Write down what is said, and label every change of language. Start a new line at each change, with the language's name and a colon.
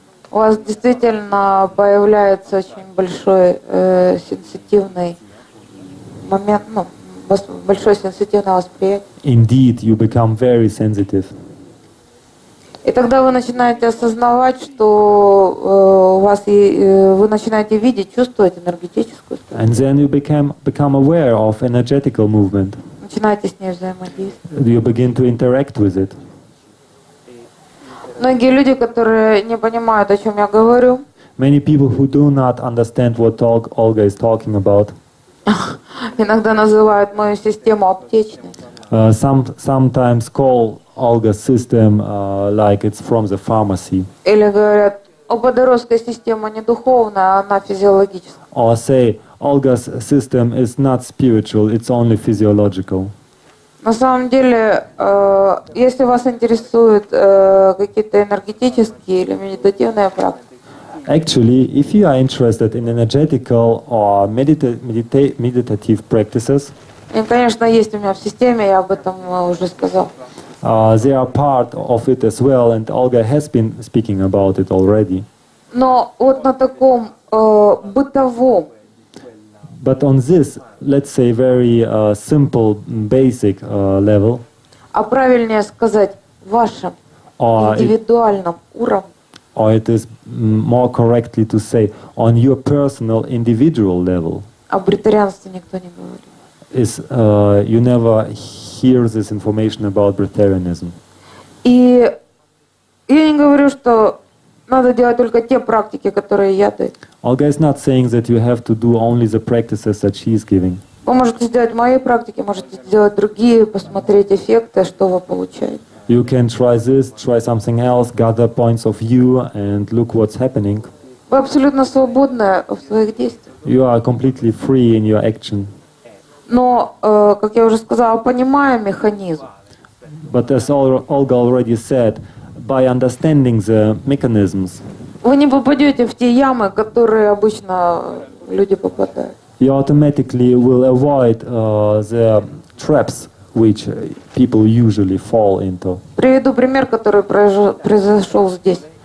Russian: У вас действительно появляется очень большой сенситивный момент, ну, большое сенситивное восприятие.
English: Indeed, you become very sensitive.
Russian: И тогда вы начинаете осознавать, что у вас и вы начинаете видеть, чувствовать энергетическую структуру.
English: And then you become aware of energetical movement.
Russian: Начинаете с ней взаимодействовать.
English: You begin to interact with it.
Russian: Многие люди, которые не понимают, о чем я говорю.
English: Many people who do not understand what talk Olga is talking about.
Russian: Иногда называют мою систему аптечной.
English: Sometimes call Olga's system like it's from the pharmacy.
Russian: Или говорят, о, подростковая система не духовная, она физиологическая.
English: Or say, Olga's system is not spiritual, it's only physiological.
Russian: На самом деле, если вас интересуют какие-то энергетические или медитативные практики,
English: actually, if you are interested in energetical or meditative practices,
Russian: и, конечно, есть у меня в системе, я об этом уже сказал.
English: They are part of it as well, and Olga has been speaking about it already.
Russian: Но вот на таком бытовом.
English: But on this, let's say, very simple, basic level.
Russian: А правильнее сказать вашем индивидуальном уровне.
English: Or it is more correctly to say on your personal individual level.
Russian: О бретарианстве никто не говорит.
English: Is you never hear this information about bretarianism.
Russian: И я не говорю, что надо делать только те практики, которые я даю.
English: Olga is not saying that you have to do only the practices that she is giving.
Russian: Вы можете сделать мои практики, можете сделать другие, посмотреть эффекты, что вы получаете.
English: You can try this, try something else, gather points of view and look what's happening.
Russian: Вы абсолютно свободны в своих действиях.
English: You are completely free in your action.
Russian: Но, как я уже сказала, понимая механизм.
English: But as Olga already said, by understanding the mechanisms.
Russian: Вы не попадете в те ямы, которые обычно люди попадают.
English: You automatically will avoid the traps which people usually fall into.
Russian: Приведу пример, который произошел здесь.